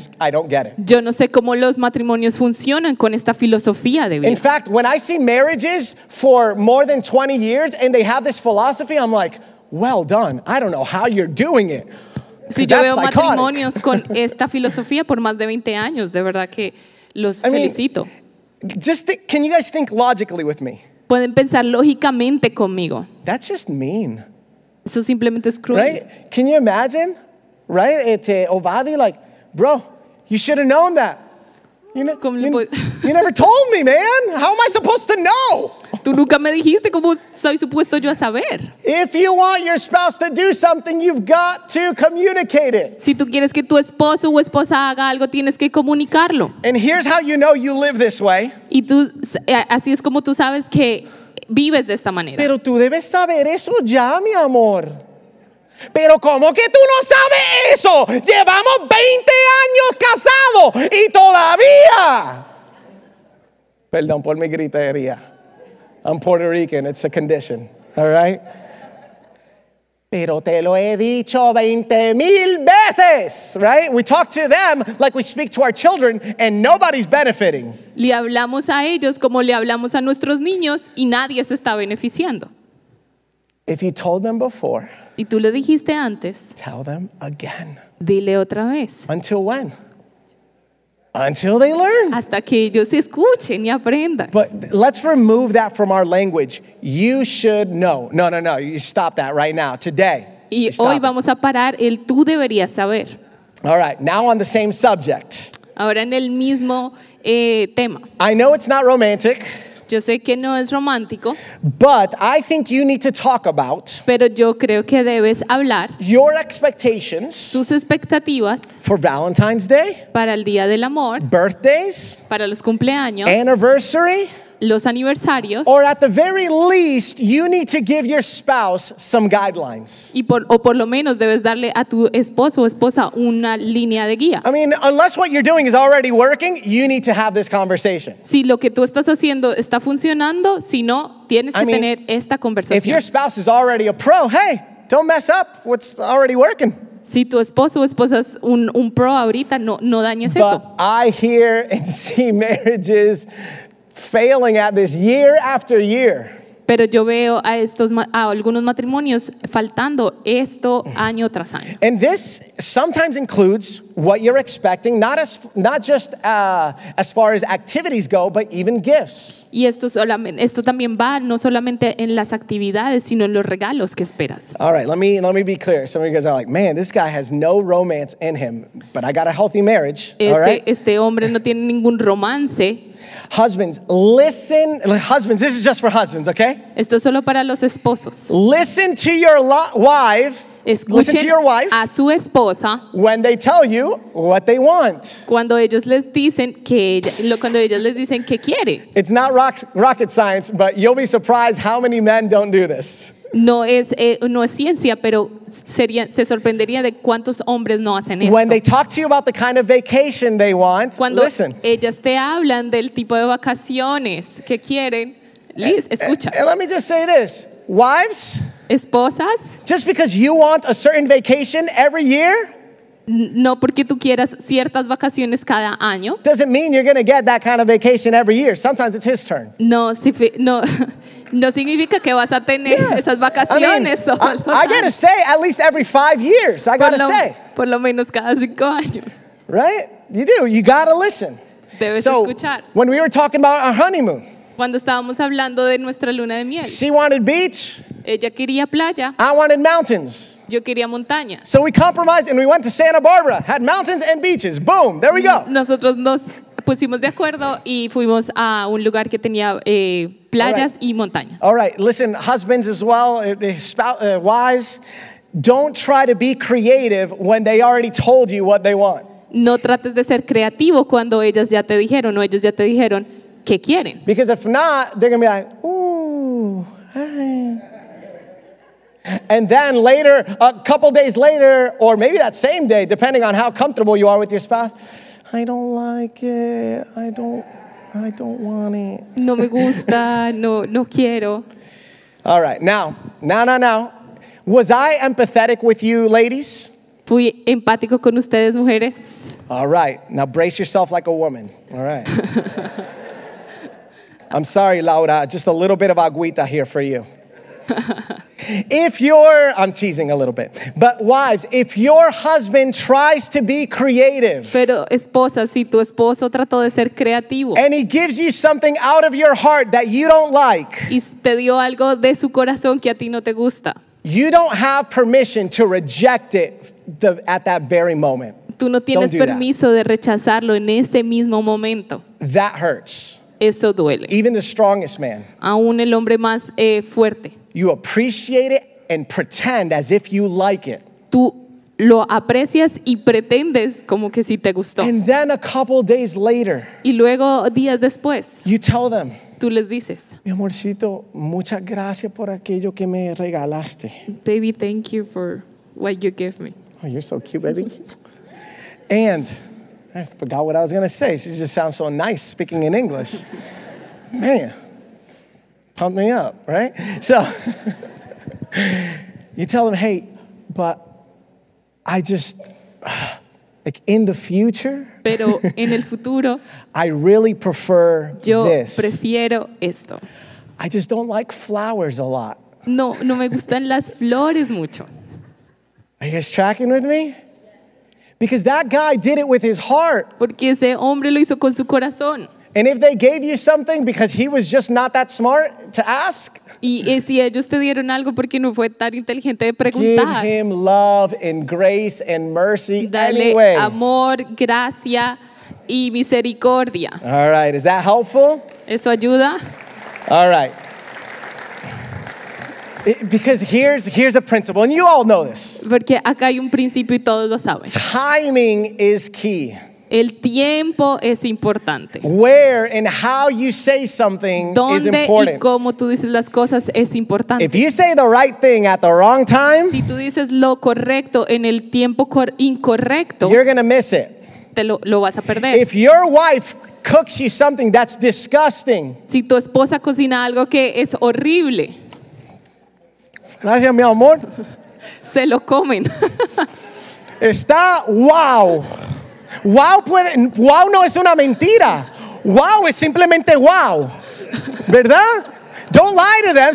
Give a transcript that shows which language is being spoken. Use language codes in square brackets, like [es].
[en] I don't get it. [es] Yo no sé cómo los matrimonios funcionan con esta filosofía de vida. [en] In fact, when I see marriages for more than 20 years and they have this philosophy, I'm like, well done. I don't know how you're doing it. [es] Si yo veo matrimonios con esta filosofía por más de 20 años, de verdad que los felicito. [en] Can you guys think logically with me? [es] Pueden pensar lógicamente conmigo. [en] That's just mean. [es] Eso simplemente es cruel. [en] Right? Can you imagine? Right? Ovadi, like, bro, you should have known that. You never told me, man. How am I supposed to know? [es] Tú nunca me dijiste cómo soy supuesto yo a saber. [en] If you want your spouse to do something, you've got to communicate it. [es] Si tú quieres que tu esposo o esposa haga algo, tienes que comunicarlo. [en] And here's how you know you live this way. [es] Y tú, así es como tú sabes que vives de esta manera. Pero tú debes saber eso ya, mi amor. Pero ¿cómo que tú no sabes eso? Llevamos 20 años casados y todavía. Perdón por mi gritería. [en] I'm Puerto Rican, it's a condition, all right? [es] Pero te lo he dicho 20,000 veces, [en] right? We talk to them like we speak to our children and nobody's benefiting. [es] Le hablamos a ellos como le hablamos a nuestros niños y nadie se está beneficiando. [en] If you told them before, [es] y tú le dijiste antes, [en] tell them again. [es] Dile otra vez. [en] Until when? Until they learn. [es] Hasta que ellos escuchen y aprendan. [en] But let's remove that from our language. You should know. No, no, no. You stop that right now. Today. [es] Y hoy vamos a parar el tú deberías saber. [en] All right. Now on the same subject. [es] Ahora en el mismo tema. [en] I know it's not romantic. [es] Yo sé que no es romántico. [en] But I think you need to talk about. [es] Pero yo creo que debes hablar. [en] Your expectations. [es] Tus expectativas. [en] For Valentine's Day. [es] Para el día del amor. [en] Birthdays. [es] Para los cumpleaños. [en] Anniversary. [es] Los aniversarios. [en] Or at the very least, you need to give your spouse some guidelines. [es] Y por lo menos debes darle a tu esposo o esposa una línea de guía. [en] I mean, unless what you're doing is already working, you need to have this conversation. [es] Si lo que tú estás haciendo está funcionando, si no, tienes que tener esta conversación. [en] If your spouse is already a pro, hey, don't mess up what's already working. [es] Si tu esposo o esposa es un pro ahorita, no dañes [en] But [es] eso. [en] But I hear and see marriages failing at this year after year. [es] Pero yo veo a algunos matrimonios faltando esto año tras año. [en] And this sometimes includes what you're expecting, not just as far as activities go, but even gifts. [es] Y esto también va no solamente en las actividades, sino en los regalos que esperas. [en] All right, let me be clear. Some of you guys are like, man, this guy has no romance in him, but I got a healthy marriage. [es] Este hombre no tiene ningún romance. [en] Husbands, listen. Husbands, this is just for husbands, okay? [es] Esto es solo para los esposos. [en] Listen to your wife. [es] Escuchen [en] listen to your wife [es] a su esposa [en] when they tell you what they want. [es] Cuando ellos les dicen que cuando ellos les dicen que quiere. [en] It's not rocket science, but you'll be surprised how many men don't do this. [es] No es ciencia, pero se sorprendería de cuántos hombres no hacen esto. [en] When they talk to you about the kind of vacation they want, [es] cuando [en] listen. [es] Cuando ellas te hablan del tipo de vacaciones que quieren, Liz, escucha. [en] And let me just say this. Wives, [es] esposas, [en] just because you want a certain vacation every year, [es] no porque tú quieras ciertas vacaciones cada año, [en] doesn't mean you're going to get that kind of vacation every year. Sometimes it's his turn. [es] No significa que vas a tener esas vacaciones. [en] I gotta say, at least every 5 years, I gotta say. [es] Por lo menos cada 5 años. [en] Right? You do. You gotta listen. [es] Debes [en] so, [es] escuchar. [en] When we were talking about our honeymoon. [es] Cuando estábamos hablando de nuestra luna de miel. [en] She wanted beach. [es] Ella quería playa. [en] I wanted mountains. [es] Yo quería montaña. [en] So we compromised and we went to Santa Barbara. Had mountains and beaches. Boom, there we go. [es] Nosotros nos pusimos de acuerdo y fuimos a un lugar que tenía playas y montañas. [en] All right, listen, husbands as well, wives, don't try to be creative when they already told you what they want. [es] No trates de ser creativo cuando ellas ya te dijeron o ellos ya te dijeron qué quieren. [en] Because if not, they're going to be like, ooh, hey. And then later, a couple days later, or maybe that same day, depending on how comfortable you are with your spouse, I don't like it. I don't want it. [es] No me gusta. No quiero. [en] All right. Now. Was I empathetic with you, ladies? [es] Fui empático con ustedes, mujeres. [en] All right. Now brace yourself like a woman. All right. I'm sorry, Laura. Just a little bit of agüita here for you. I'm teasing a little bit, but wives, if your husband tries to be creative, [es] pero esposa, si tu esposo trató de ser creativo, [en] and he gives you something out of your heart that you don't like, [es] y te dio algo de su corazón que a ti no te gusta, [en] you don't have permission to reject it at that very moment. [es] Tú no tienes permiso de rechazarlo en ese mismo momento. [en] That hurts. [es] Eso duele. [en] Even the strongest man. [es] Aún el hombre más fuerte. [en] You appreciate it and pretend as if you like it. [es] Tú lo aprecias y pretendes como que sí te gustó. [en] And then a couple days later. [es] Y luego días después. [en] You tell them. [es] Tú les dices. Mi amorcito, muchas gracias por aquello que me regalaste. [en] Baby, thank you for what you gave me. Oh, you're so cute, baby. And I forgot what I was going to say. She just sounds so nice speaking in English. Man. Pump me up, right? So, You tell them, hey, but I just, like in the future, [es] pero en el futuro, [en] I really prefer [es] yo [en] this. [es] Prefiero esto. [en] I just don't like flowers a lot. [es] No, no me gustan las flores mucho. [en] Are you guys tracking with me? Because that guy did it with his heart. [es] Porque ese hombre lo hizo con su corazón. [en] And if they gave you something because he was just not that smart to ask, [es] y si ellos te dieron algo porque no fue tan inteligente de preguntar, [en] give him love and grace and mercy [es] dale [en] anyway. [es] Amor, gracia y misericordia. [en] All right, is that helpful? [es] ¿Eso ayuda? [en] All right. Because here's a principle, and you all know this. [es] Porque acá hay un principio y todos lo saben. [en] Timing is key. [es] El tiempo es importante. [en] Where and how you say something [es] donde [en] is important. [es] Y cómo tú dices las cosas es importante. [en] If you say the right thing at the wrong time, [es] si tú dices lo correcto en el tiempo incorrecto, [en] you're going to miss it. [es] Te lo vas a perder. [en] If your wife cooks you something that's disgusting, [es] si tu esposa cocina algo que es horrible, gracias, mi amor, se lo comen. Está wow. Wow, puede, wow no es una mentira. Wow es simplemente wow. ¿Verdad? [en] Don't lie to them.